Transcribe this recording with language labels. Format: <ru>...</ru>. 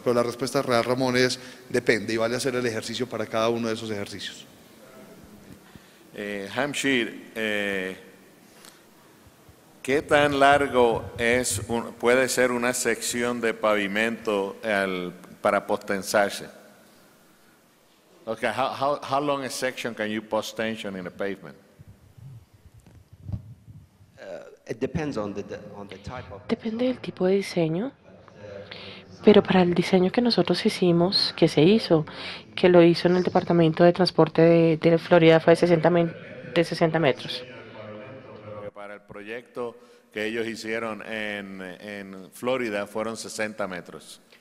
<es>Pero la respuesta real, Ramón, es depende y vale hacer el ejercicio para cada uno de esos ejercicios. Hamshir, ¿qué tan largo puede ser una sección de pavimento para post-tensarse?</es> <en>Okay, how long a section can you post-tension in a pavement? It depends on the type of...</en> <es>Depende del tipo de diseño, pero para el diseño que nosotros hicimos, que se hizo, que lo hizo en el Departamento de Transporte de Florida, fue de 60 metros. Para el proyecto que ellos hicieron en Florida fueron 60 metros.</es>